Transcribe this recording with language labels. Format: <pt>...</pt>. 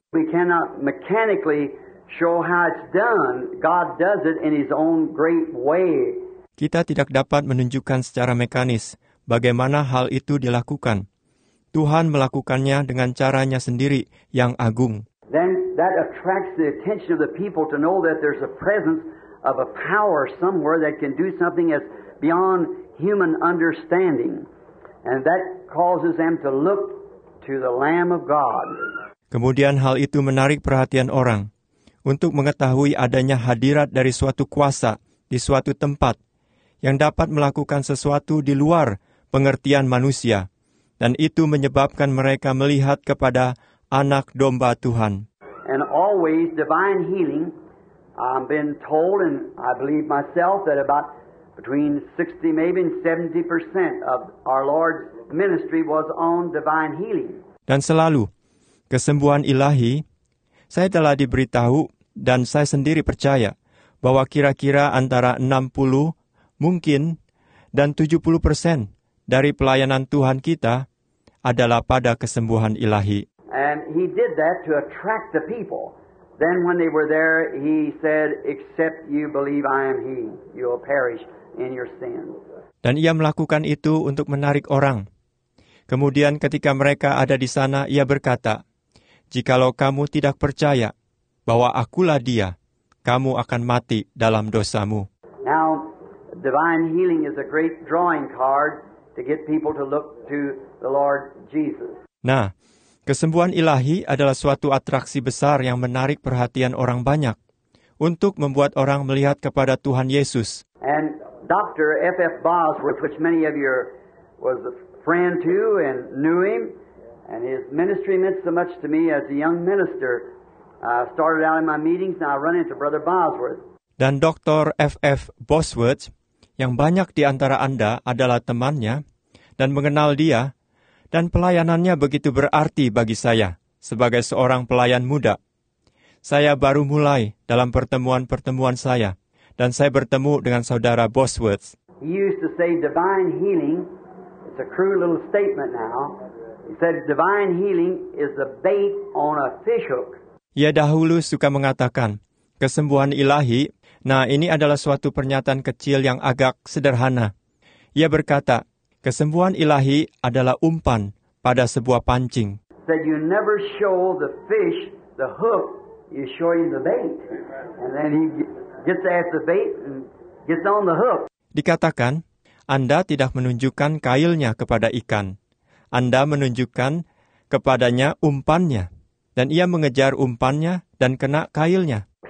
<en>We cannot mechanically show how it's done. God does it in His own great way.</en> <id>Kita tidak dapat menunjukkan secara mekanis bagaimana hal itu dilakukan. Tuhan melakukannya dengan caranya sendiri yang agung.</id> <en>Then that attracts the attention of the people to know that there's a presence of a power somewhere that can do something that's beyond human understanding. And that causes them to look to the Lamb of God.</en> <id>Kemudian hal itu menarik perhatian orang untuk mengetahui adanya hadirat dari suatu kuasa di suatu tempat yang dapat melakukan sesuatu di luar pengertian manusia. Dan itu menyebabkan mereka melihat kepada Anak Domba Tuhan.</id> <en>And always divine healing, I've been told, and I believe myself, that about between 60, maybe 70% of our Lord's ministry was on divine healing.</en> <id>Dan selalu, kesembuhan ilahi, saya telah diberitahu, dan saya sendiri percaya, bahwa kira-kira antara 60, mungkin, dan 70% dari pelayanan Tuhan kita adalah pada kesembuhan ilahi.</id> <en>And he did that to attract the people. Then when they were there, he said, except you believe I am he, you will perish in your sins.</en> <id>Dan ia melakukan itu untuk menarik orang. Kemudian ketika mereka ada di sana, ia berkata, jikalau kamu tidak percaya bahwa akulah dia, kamu akan mati dalam dosamu.</id> <en>Now, divine healing is a great drawing card to get people to look to the Lord Jesus.</en> <id>Nah, kesembuhan ilahi adalah suatu atraksi besar yang menarik perhatian orang banyak untuk membuat orang melihat kepada Tuhan Yesus.</id> <en>And Dr. F.F. Bosworth, which many of you was a friend to and knew him, and his ministry meant so much to me as a young minister. I started out in my meetings and I run into Brother Bosworth.</en> <id>Dan Dr. F.F. Bosworth, yang banyak di antara Anda adalah temannya dan mengenal dia, dan pelayanannya begitu berarti bagi saya sebagai seorang pelayan muda. Saya baru mulai dalam pertemuan-pertemuan saya, dan saya bertemu dengan Saudara Bosworth.</id> <en>He used to say divine healing, it's a crude little statement now. He said divine healing is a bait on a fish hook.</en> <id>Ia dahulu suka mengatakan, kesembuhan ilahi, nah, ini adalah suatu pernyataan kecil yang agak sederhana. Ia berkata, kesembuhan ilahi adalah umpan pada sebuah pancing.</id> <en>That you never show the fish the hook, you show him the bait. And then he gets at the bait and gets on the hook.</en> <id>Dikatakan, Anda tidak menunjukkan kailnya kepada ikan. Anda menunjukkan kepadanya umpannya. Dan ia mengejar umpannya dan kena kailnya.</id>